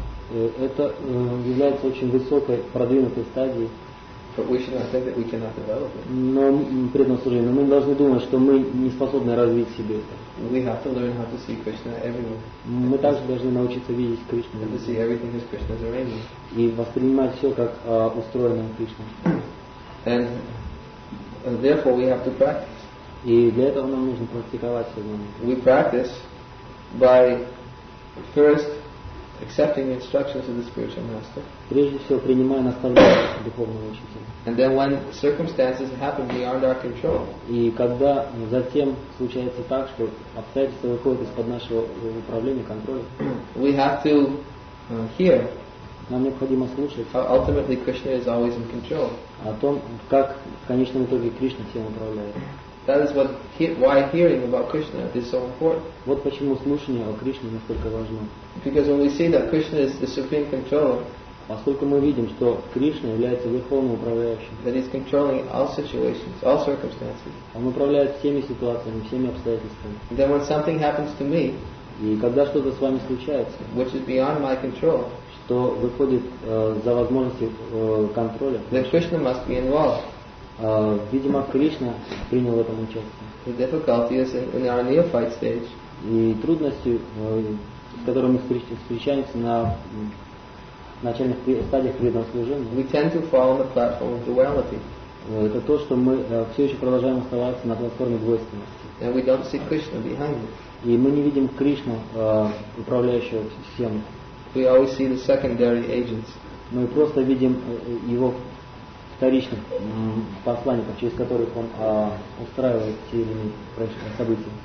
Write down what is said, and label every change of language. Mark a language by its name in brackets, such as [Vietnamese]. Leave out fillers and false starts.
[Russian] Это является очень высокой продвинутой стадией. [English] But we should not think that we cannot develop it. [Russian] Но преданное служение. Мы должны думать, что мы не способны развить себе это. [English] We have to learn how to see Krishna everywhere. [Russian] Мы также должны научиться видеть Кришну. [English] And to see everything as Krishna's arrangement. [Russian] И воспринимать все как устроено Кришна. [English] And therefore we have to practice. [Russian] И для этого нам нужно практиковать сегодня. [English] We practice by first accepting the instructions of the spiritual master. [Russian] Прежде всего принимая наставления духовного учителя. [English] And then when circumstances happen beyond our control. [Russian] И когда затем случается так, что обстоятельства выходят из-под нашего управления, контроля. [English] We have to hear. [Russian] Нам необходимо слушать. [English] How ultimately Krishna is always in control. [Russian] О том, как в конечном итоге Кришна всем управляет. [English] That is why hearing about Krishna is so important. [Russian] Вот почему слушание о Кришне настолько важно. [English] Because when we see that Krishna is the supreme controller, [Russian] поскольку мы видим, что Кришна является верховным управляющим, [English] that he's controlling all situations, all circumstances, [Russian] он управляет всеми ситуациями, всеми обстоятельствами. [English] Then when something happens to me, [Russian] и когда что-то с вами случается, [English] which is beyond my control, [Russian] что выходит за возможности контроля, [English] then Krishna must be involved. [Russian] Видимо, Кришна принял в этом участие. [English] The difficulty is in our neophyte stage. [Russian] И трудности, с которыми мы встречаемся на начальных стадиях преданного служения. [English] We tend to fall on the platform of duality. [Russian] Это то, что мы все еще продолжаем оставаться на платформе двойственности. [English] And we don't see Krishna behind it. [Russian] И мы не видим Кришну, управляющего всем. [English] We always see the secondary agents. [Russian] Мы просто видим его вторичных посланников, через которых он устраивает те или иные события.